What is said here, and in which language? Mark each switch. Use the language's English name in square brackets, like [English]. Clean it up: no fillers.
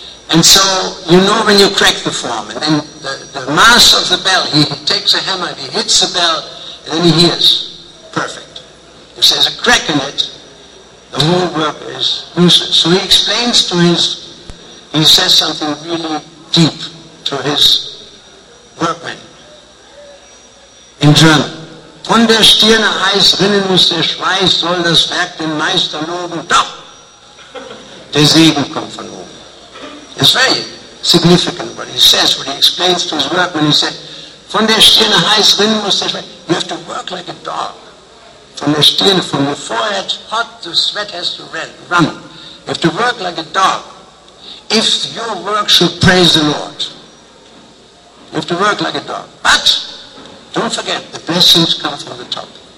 [English] And so, you know when you crack the form, and then the mass of the bell, he takes a hammer, and he hits the bell, and then he hears, perfect. If there's a crack in it, the whole work is useless. So he explains to his, he says something really deep to his workmen in German. [German] Von der Stirne heiß rinnen muss der Schweiß, soll das Werk den Meister loben. Doch! Der Segen kommt von oben. [English] It's very significant what he says, what he explains to his workmen. He said, [German] Von der Stirn heiß rinnen muss der Schweiß. [English] You have to work like a dog. [German] Von der Stirn, [English] from your forehead, hot, the sweat has to run. You have to work like a dog. If your work should praise the Lord, you have to work like a dog. But don't forget, the blessings come from the top.